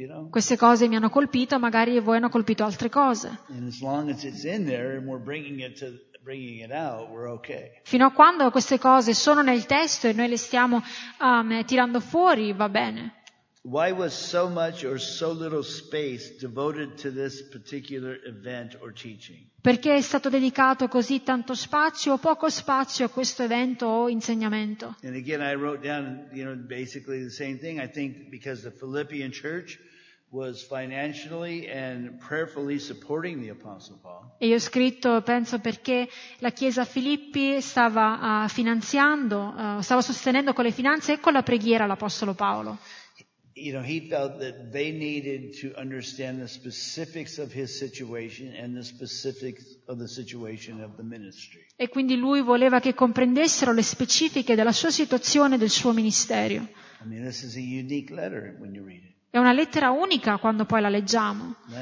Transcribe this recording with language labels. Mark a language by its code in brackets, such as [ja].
[it] Queste cose mi hanno colpito, magari voi hanno colpito altre cose. [en] And as long as it's in there and we're bringing it out, we're okay. [it] Fino a quando queste cose sono nel testo e noi le stiamo tirando fuori, va bene. [en] Why was so much or so little space devoted to this particular event or teaching? [it] Perché è stato dedicato così tanto spazio o poco spazio a questo evento o insegnamento? [en] And again, I wrote down, you know, basically the same thing. I think because the Philippian church was financially and prayerfully supporting the Apostle Paul. [it] E io ho scritto, penso perché la Chiesa Filippi stava finanziando, stava sostenendo con le finanze e con la preghiera l'Apostolo Paolo. [en] You know, he felt that they needed to understand the specifics of his situation and the specifics of the situation of the ministry. [it] E quindi lui voleva che comprendessero le specifiche della sua situazione e del suo ministerio. [en] I mean, this is a unique letter when you read it. [it] È una lettera unica quando poi la leggiamo.